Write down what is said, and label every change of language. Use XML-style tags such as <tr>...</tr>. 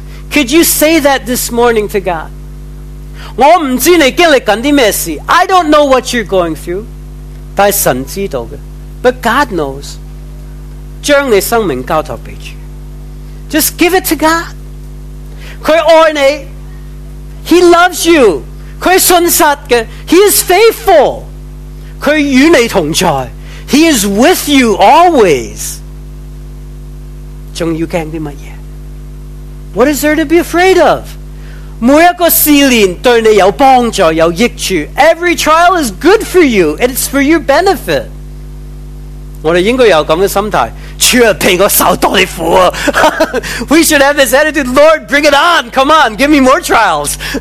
<en>Could you say that this morning to God?</en> <zh>我不知道你经历着什么事，</zh> <en>I don't know what you're going through,</en> <zh>但神知道的。</zh> <en>But God knows.</en> <zh>将你生命交托给主。</zh> <en>Just give it to God.</en> <zh>他爱你，</zh> <en>He loves you.</en> <zh>他是信实的，</zh> <en>He is faithful.</en> <zh>他与你同在，</zh> <en>He is with you always.</en> <zh>还要怕什么？</zh> <en>What is there to be afraid of?</en> <zh>每一个试炼对你有帮助，有益处。</zh> <en>Every trial is good for you. It's for your benefit.</en> <zh>我们应该有这样的心态，主啊，比我受多点苦。</zh> <en>We should have this attitude, Lord, bring it on, come on, give me more trials.</en>